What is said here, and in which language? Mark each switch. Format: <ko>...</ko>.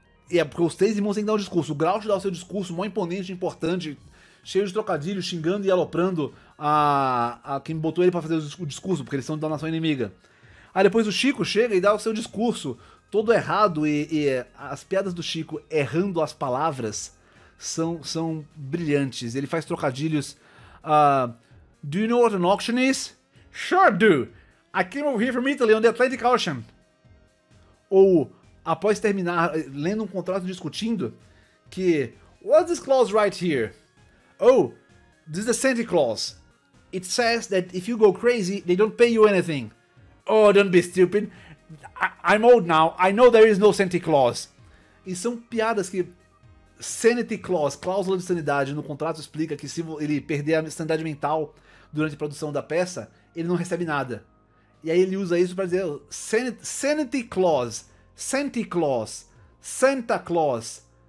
<pt>E é porque os três irmãos têm que dar um discurso. O Groucho dá o seu discurso, mó imponente, importante, cheio de trocadilhos, xingando e aloprando a quem botou ele pra fazer o discurso, porque eles são da nação inimiga. Aí depois o Tico chega e dá o seu discurso, todo errado, e as piadas do Tico errando as palavras são brilhantes. Ele faz trocadilhos...</pt> <en>do you know what an auction is? Sure do! I came over here from Italy on the Atlantic Ocean.</en> <pt>Ou, após terminar, lendo um contrato discutindo, que...</pt> <en>What's this clause right here? Oh, this is the Santa Clause. It says that if you go crazy, they don't pay you anything. Oh, don't be stupid. I'm old now. I know there is no Santa Clause.</en> <pt>E são piadas que... Sanity Clause, cláusula de sanidade, no contrato explica que se ele perder a sanidade mental durante a produção da peça, ele não recebe nada. E aí ele usa isso pra dizer Sanity Clause, Santa Clause, Santa Clause.</pt>